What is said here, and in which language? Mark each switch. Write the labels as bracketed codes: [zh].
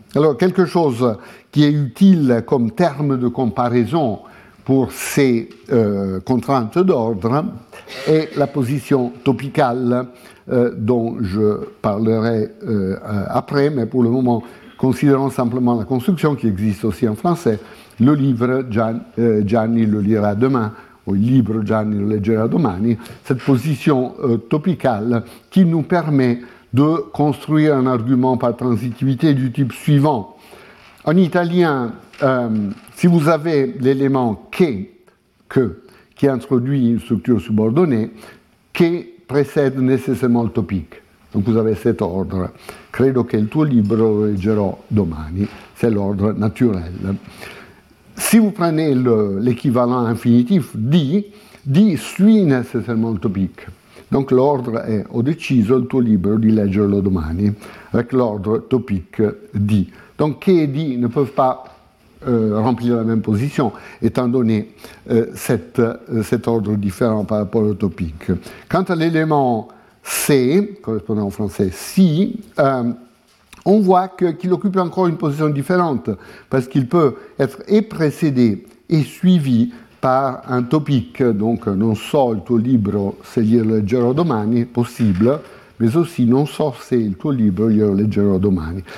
[fr] Alors quelque chose qui est utile comme terme de comparaison pour ces contraintes d'ordre est la position topicale dont je parlerai après, mais pour le moment, considérons simplement la construction qui existe aussi en français. Le livre, Gianni le lira demain, ou [it] il libro, Gianni le leggerà domani. [fr] Cette position topicale qui nous permet de construire un argument par transitivité du type suivant. En italien, si vous avez l'élément che, qui introduit une structure subordonnée, che précède nécessairement le topic. Donc vous avez cet ordre. [it] Credo che il tuo libro lo leggerò domani. [fr] C'est l'ordre naturel. Si vous prenez l'équivalent infinitif di suit nécessairement le topic. Donc l'ordre est [it] ho deciso il tuo libro di leggerlo domani. [fr] Avec l'ordre topic di. Donc che e di ne peuvent pas remplir la même position, étant donné cet ordre différent par rapport au topic. Quant à l'élément c'est, correspondant en français si, on voit qu'il occupe encore une position différente, parce qu'il peut être et précédé et suivi par un topic, donc [it] non so il tuo libro se glielo leggerò domani, [fr] possible, mais aussi [it] non so se il tuo libro glielo leggerò domani.